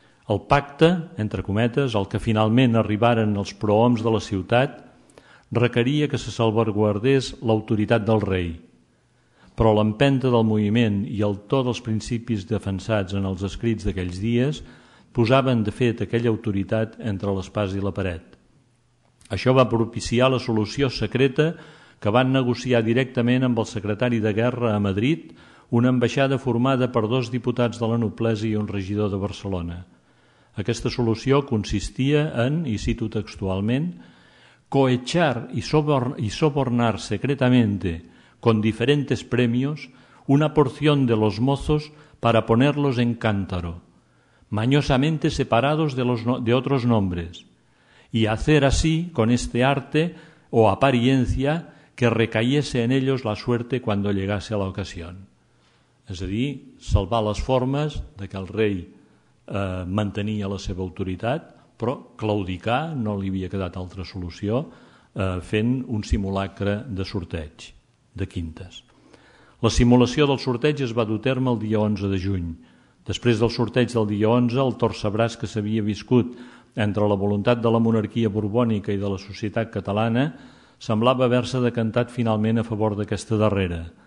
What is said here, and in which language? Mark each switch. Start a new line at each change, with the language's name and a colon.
Catalan: El pacte, entre cometes, al que finalment arribaren els prohoms de la ciutat, requeria que se salvaguardés l'autoritat del rei, però l'empenta del moviment i el to dels principis defensats en els escrits d'aquells dies posaven, de fet, aquella autoritat entre l'espàs i la paret. Això va propiciar la solució secreta que van negociar directament amb el secretari de Guerra a Madrid, una ambaixada formada per 2 diputats de la noblesa i un regidor de Barcelona. Aquesta solució consistia en, i cito textualment,
Spanish: coechar y sobornar secretamente con diferentes premios una porción de los mozos para ponerlos en cántaro, mañosamente separados de otros nombres, y hacer así con este arte o apariencia que recayese en ellos la suerte cuando llegase a la ocasión.
Catalan: És a dir, salvar les formes de que el rei mantenia la seva autoritat, però claudicar no li havia quedat altra solució, fent un simulacre de sorteig, de quintes. La simulació del sorteig es va dur a terme el dia 11 de juny. Després del sorteig del dia 11, el torcebràs que s'havia viscut entre la voluntat de la monarquia borbònica i de la societat catalana semblava haver-se decantat finalment a favor d'aquesta darrera.